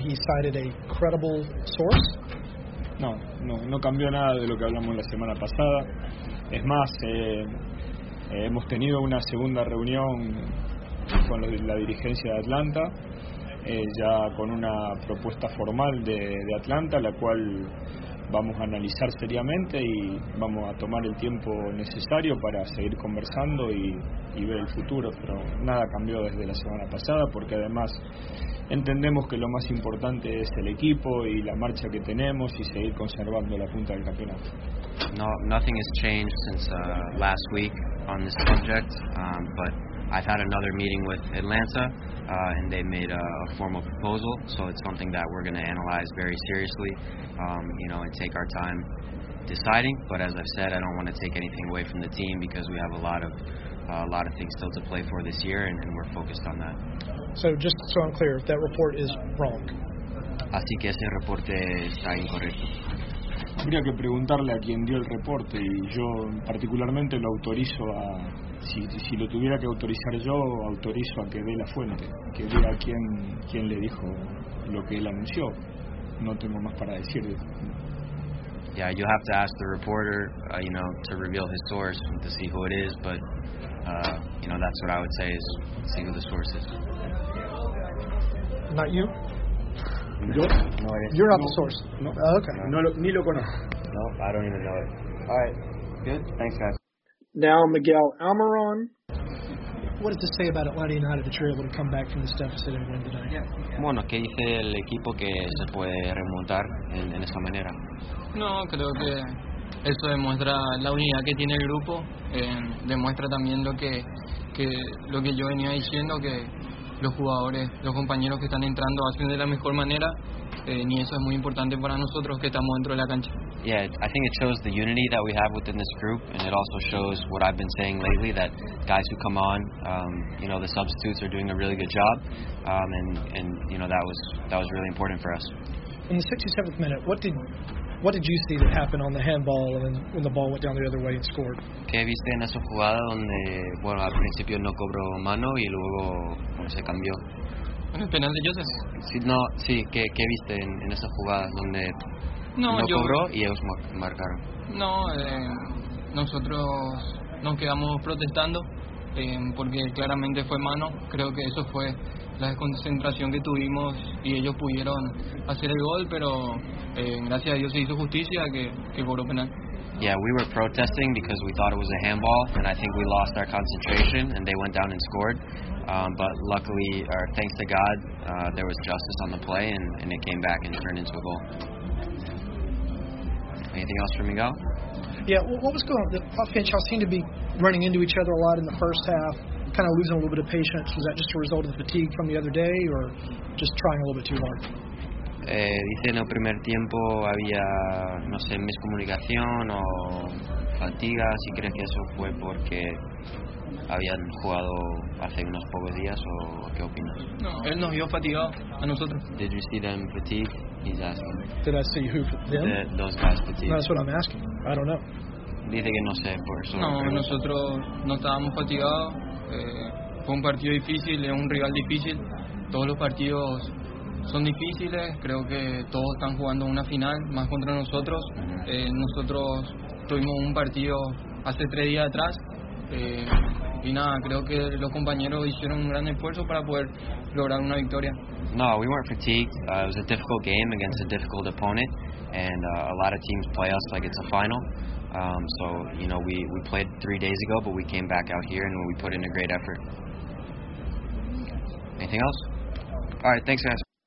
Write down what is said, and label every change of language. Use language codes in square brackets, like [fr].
[en] He cited a credible source. [es] No cambió nada de lo que hablamos la semana pasada. Es más, hemos tenido una segunda reunión con la dirigencia de Atlanta, ya con una propuesta formal de Atlanta, la cual vamos a analizar seriamente y vamos a tomar el tiempo necesario para seguir conversando y ver el futuro. Pero nada cambió desde la semana pasada, porque además entendemos que lo más importante es el equipo y la marcha que tenemos y seguir conservando la punta del campeonato. [en] No, nothing has changed since last week on this subject, but I've had another meeting with Atlanta, and they made a formal proposal, so it's something that we're going to analyze very seriously, and take our time deciding. But as I've said, I don't want to take anything away from the team, because we have a lot of things still to play for this year, and we're focused on that. So just so I'm clear, that report is wrong. [es] Así que ese reporte está incorrecto. Habría que preguntarle a quien dio el reporte, y yo particularmente lo autorizo a... Si lo tuviera que autorizar yo, autorizo a que dé la fuente, que diga quién le dijo lo que él anunció. No tengo más para decir. [en] Yeah, you have to ask the reporter, to reveal his source, to see who it is, but, that's what I would say, is see who the source is. Not you? [es] ¿Yo? [en] No, you're not the source. No. Okay. [es] No. Ni lo conozco. [en] No, I don't even know it. All right. Good? Thanks, guys. Now Miguel Almirón. What does this say about Atlanta United that you're able to come back from this deficit and win tonight? [es] Bueno, ¿qué dice el equipo que se puede remontar en esa manera? No, creo que eso demuestra la unidad que tiene el grupo. Demuestra también lo que yo venía diciendo, que los jugadores, los compañeros que están entrando hacen de la mejor manera. Ni eso es muy importante para nosotros que estamos dentro de la cancha. [en] Yeah, I think it shows the unity that we have within this group, and it also shows what I've been saying lately, that guys who come on, the substitutes are doing a really good job, and that was really important for us. In the 67th minute, what did you see that happened on the handball and when the ball went down the other way and scored? [es] ¿Qué viste en esa jugada donde, bueno, al principio no cobró mano y luego se cambió? En el penal de Joseph. Sí, ¿qué viste en esa jugada donde... No cobró y ellos marcaron. No, nosotros nos quedamos protestando porque claramente fue mano. Creo que eso fue la desconcentración que tuvimos y ellos pudieron hacer el gol, pero gracias a Dios se hizo justicia que cobró penal. [en] Yeah, we were protesting because we thought it was a handball, and I think we lost our concentration and they went down and scored. But luckily, or thanks to God, there was justice on the play and it came back and turned into a goal. Anything else for Miguel? Yeah, what was going on? The Puff and Chow seemed to be running into each other a lot in the first half, kind of losing a little bit of patience. Was that just a result of the fatigue from the other day, or just trying a little bit too hard? [es] Dice en el primer tiempo había, no sé, miscomunicación o fatiga. Si crees que eso fue porque habían jugado hace unos pocos días, o qué opinas? No, él nos vio fatigado, a nosotros. [en] Did you see them fatigued? He's asking. Did I see who? Them? Those guys fatigued. No, that's what I'm asking. I don't know. [es] Dice que no sé, por eso. No, nosotros no estábamos fatigados. Fue un partido difícil, es un rival difícil. todos los partidos son difíciles, creo que todos están jugando una final, más contra nosotros. Nosotros tuvimos un partido hace 3 días atrás, y nada, creo que los compañeros hicieron un gran esfuerzo para poder lograr una victoria. [en] No, we weren't fatigued. It was a difficult game against a difficult opponent, and a lot of teams play us like it's a final. So we played 3 days ago, but we came back out here and we put in a great effort. Anything else? All right, thanks, guys.